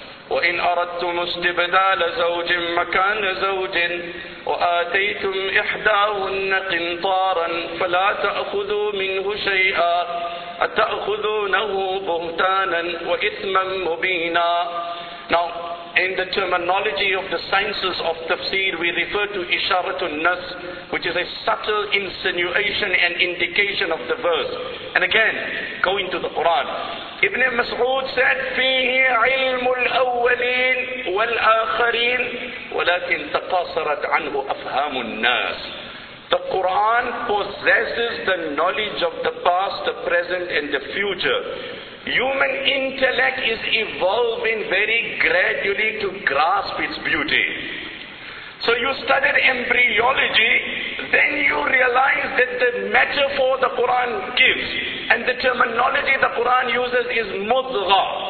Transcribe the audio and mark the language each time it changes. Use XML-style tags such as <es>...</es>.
<ar>وَإِنْ أَرَدْتُمُ اسْتِبْدَالَ زَوْجٍ مَكَانَ زَوْجٍ وَآتَيْتُمْ إِحْدَاهُنَّ قِنْطَارًا فَلَا تَأْخُذُوا مِنْهُ شَيْئًا أَتَأْخُذُونَهُ بُهْتَانًا وَإِثْمًا مُبِينًا.</ar> <en>Now, in the terminology of the sciences of tafsir, we refer to isharatun nas, which is a subtle insinuation and indication of the verse. And again, going to the Quran. Ibn Mas'ud said,</en> <ar>فِيهِ عِلْمُ الْأَوَّلِينَ وَالْآخَرِينَ وَلَكِنْ تَقَاصَرَتْ عَنْهُ أَفْهَامُ النَّاسِ.</ar> <en>The Quran possesses the knowledge of the past, the present, and the future. Human intellect is evolving very gradually to grasp its beauty. So you studied embryology, then you realize that the metaphor the Quran gives and the terminology the Quran uses is mudgha.</en>